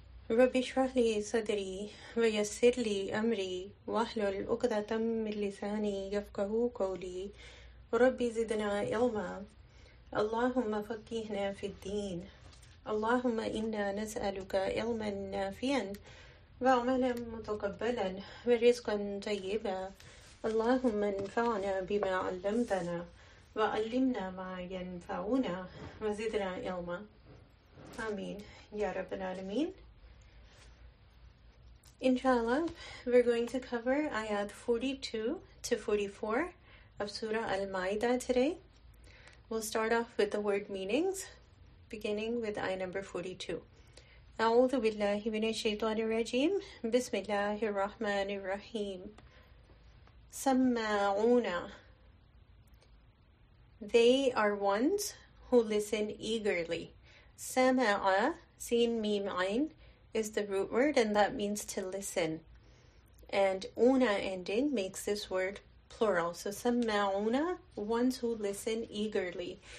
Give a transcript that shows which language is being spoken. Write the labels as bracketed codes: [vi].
[ar] رب اشرح لي صدري ويسر لي أمري واحلل عقدة من لساني يفقه قولي رب زدنا علما اللهم فقهنا في الدين اللهم إنا نسألك علما نافيا وعملا متقبلا ورزقا طيبا اللهم انفعنا بما علمتنا وعلمنا ما ينفعنا وزدنا علما آمين يا رب العالمين. [en] Inshallah, we're going to cover ayat 42 to 44 of Surah Al-Ma'idah today. We'll start off with the word meanings, beginning with ayah number 42. [ar] أعوذ بالله من الشيطان الرجيم بسم الله الرحمن الرحيم سماعون. [en] They are ones who listen eagerly. [ar] سماع سين ميم عين [en] is the root word, and that means to listen. And أونا ending makes this word plural. So سماعون, ones who listen eagerly.